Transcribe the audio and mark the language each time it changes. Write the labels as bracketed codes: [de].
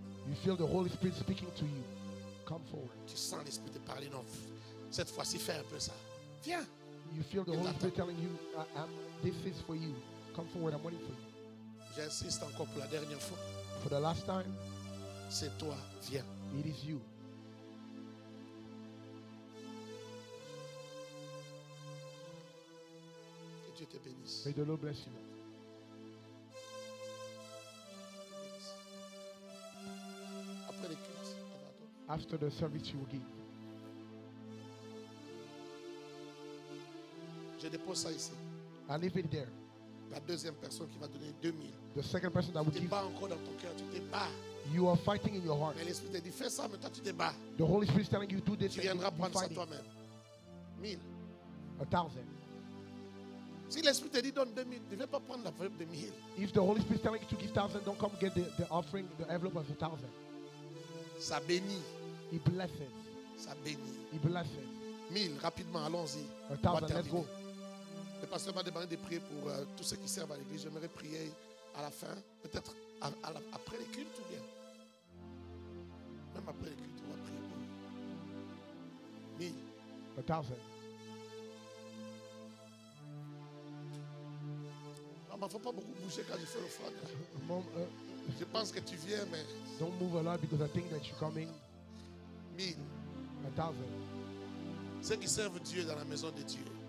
[en] You feel the Holy Spirit speaking to you. Come forward. [fr] Tu sens l'esprit te parler. Non, cette fois-ci, fais un peu ça. Viens. [en] You feel the Holy Spirit telling you, this is for you. Come forward, I'm waiting for you. [fr] J'insiste encore pour la dernière fois. [en] For the last time, [fr] c'est toi, viens. [en] It is you. [fr] Que Dieu te bénisse. [en] May the Lord bless you. [fr] Après les cultes, attends. [en] After the service you will give. [fr] Je dépose ça ici. [en] I leave it there. [fr] La deuxième personne qui va donner 2000. [en] The second person that will give. [fr] Tu te bats encore dans ton cœur, tu te bats. [en] You are fighting in your heart. [fr] Mais l'Esprit te dit fais ça, mais toi tu te bats. [en] The Holy Spirit is telling you do this. [fr] Tu viendras prendre ça toi-même. 1000. 1000. Si l'Esprit te dit donne 2000, ne viens pas prendre la preuve de 1000. [en] If the Holy Spirit is telling you to give 1000, don't come get the offering, the envelope of 1000. [fr] Ça bénit. [en] He blesses. [fr] Ça bénit. [en] He blesses. [fr] 1000, rapidement, allons-y. [en] 1000, let's go. [fr] Le pasteur m'a demandé de prier pour tous ceux qui servent à l'église. J'aimerais prier à la fin, peut-être après les cultes ou bien. Même après les cultes, on va prier pour eux. 1000. 1000. Maman, il ne faut pas beaucoup bouger quand je fais l'offrande. Je pense que tu viens, mais. [en] Don't move a lot because I think that you're coming. 1000. 1000. [fr] Ceux qui servent Dieu dans la maison de Dieu.